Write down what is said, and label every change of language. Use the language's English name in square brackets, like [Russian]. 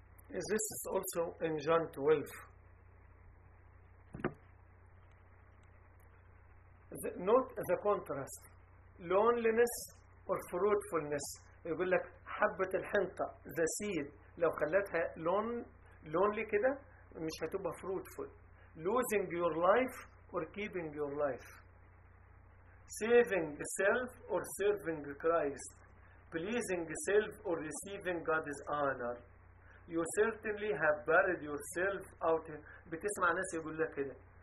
[English] This is also in John 12. Note the contrast. Loneliness or fruitfulness. [Arabic] يقول لك حبة الحنطة, the seed, لو خلتها lonely كده مش هتبقى fruitful. [English] Losing your life or keeping your life. Saving self or serving Christ. Pleasing self or receiving God's honor. You certainly have buried yourself out here. [Arabic] بتسمع ناس يقول لك كده.